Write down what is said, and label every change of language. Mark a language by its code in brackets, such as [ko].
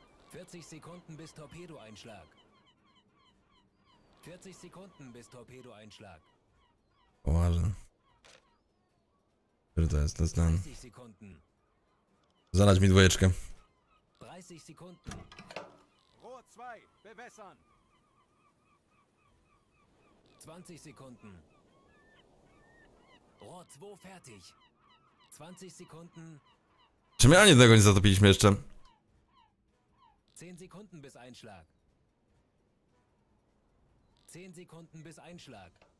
[de] 40 sekunden bis Torpedo einschlag. 40 sekunden bis Torpedo einschlag. [pl] Uważa. Który to jest? To jest ten. Zalać mi dwojeczkę. [de] 30 sekunden. Rohr 2, bewässern. 20 Sekunden. Rohr 2 fertig. 20 Sekunden. [pl] Czy my ani jednego nie zatopiliśmy jeszcze? [de] 10 Sekunden bis Einschlag. 10 Sekunden bis Einschlag.